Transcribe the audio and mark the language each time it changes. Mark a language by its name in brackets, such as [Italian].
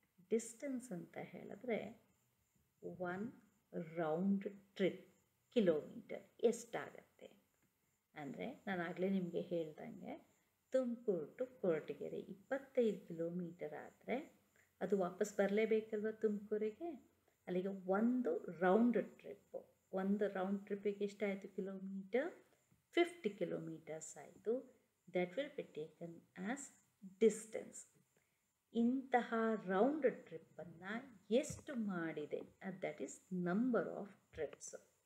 [Kannada] Distance ಅಂತ ಹೇಳಿದ್ರೆ 1 round trip kilometre ಎಷ್ಟಾಗತ್ತೆ ಅಂದರೆ, ನಾನಾಗಲೇ ನಿಮಗೆ ಹೇಳ್ದಂಗೆ ತುಮಕೂರು ಟು ಕೊರಟಗೆರೆ 25 kilometers ಆದರೆ ಅದು ವಾಪಸ್ ಬರಲೇಬೇಕಲ್ವ ತುಮಕೂರಿಗೆ. ಅಲ್ಲಿಗೆ 1 round trip. 1 round trip ಎಷ್ಟಾಯಿತು ಕಿಲೋಮೀಟರ್? 50 kilometers ಆಯಿತು. [English] That will be taken as distance. [Kannada] ಇಂತಹ ರೌಂಡ್ ಟ್ರಿಪ್ಪನ್ನು ಎಷ್ಟು ಮಾಡಿದೆ, [English] That is number of trips.